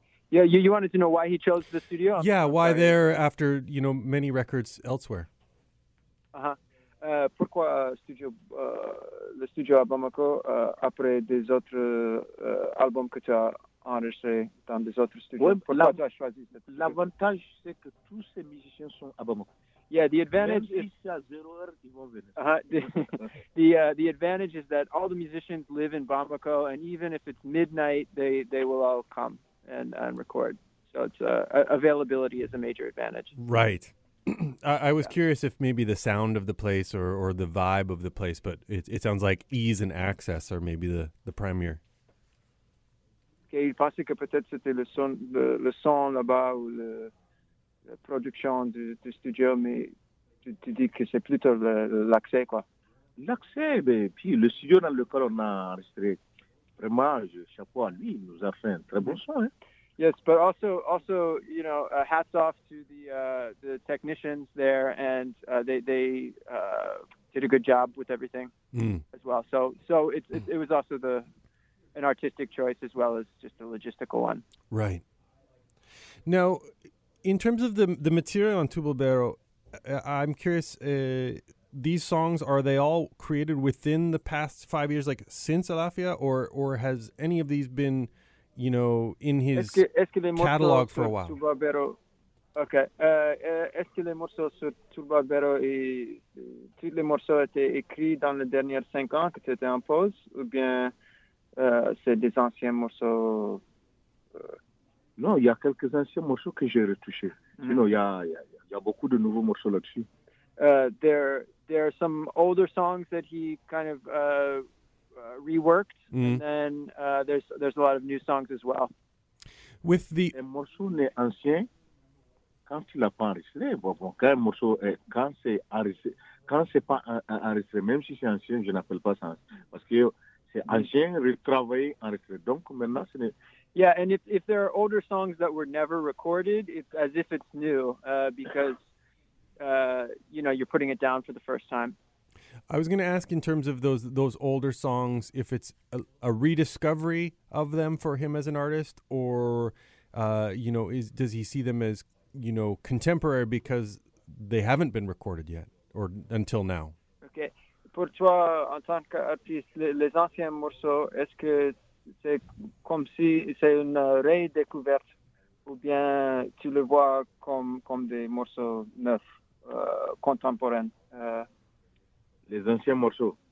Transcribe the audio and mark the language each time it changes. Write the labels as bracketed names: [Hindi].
[English] You wanted to know why he chose the studio? Yeah, why there after, you know, many records elsewhere. [French] Pourquoi le studio à Bamako après des autres albums que tu as enregistrés dans des autres studios? Ouais, pourquoi tu as choisi cet studio? L'avantage, c'est que tous ces musiciens sont à Bamako. [English] Yeah, the advantage [French] même [English] is... [French] Même si c'est à 0 heure, ils vont venir. [English] The advantage is that all the musicians live in Bamako, and even if it's midnight, they will all come and record. So it's availability is a major advantage. Right. I was curious if maybe the sound of the place or the vibe of the place, but it sounds like ease and access are maybe the premier. [French] Okay, il pensait que peut-être c'était le son là-bas ou la production du studio, mais tu dis que c'est plutôt l'accès, quoi. L'accès, ben, puis le studio dans lequel on a enregistré, vraiment, chapeau à lui, il nous a fait un très bon son, hein. [English] Yes, but also, you know, hats off to the technicians there, and they did a good job with everything as well. So it was also an artistic choice as well as just a logistical one. Right. Now, in terms of the material on Tubalbero, I'm curious, these songs, are they all created within the past 5 years, like since Alafia, or has any of these been, you know, in his catalogue for a while? Tubalbero? Okay. [French] Est-ce que les morceaux sur Tubalbero et tous les morceaux étaient écrits dans les derniers 5 ans que tu étais en pause, ou bien c'est des anciens morceaux? Non, il y a quelques anciens morceaux que j'ai retouchés. Mm-hmm. Sinon, il y a beaucoup de nouveaux morceaux là-dessus. [English] There are some older songs that he kind of reworked, and then there's a lot of new songs as well. With the [French] morceau n'est ancien quand tu l'as pas enregistré. Bon, quand un morceau est, quand c'est enregistré, quand c'est pas enregistré, même si c'est ancien, je n'appelle pas ça parce que c'est ancien, retravaillé, enregistré. Donc maintenant, ce n'est... [English] Yeah, and if there are older songs that were never recorded, it's as if it's new, because you know, you're putting it down for the first time. I was going to ask in terms of those older songs, if it's a rediscovery of them for him as an artist, or, you know, does he see them as, you know, contemporary because they haven't been recorded yet or until now? Okay. [French] Pour toi, en tant qu'artiste, les anciens morceaux, est-ce que c'est comme si c'est une redécouverte, ou bien tu le vois comme des morceaux neufs, contemporains? Les anciens morceaux.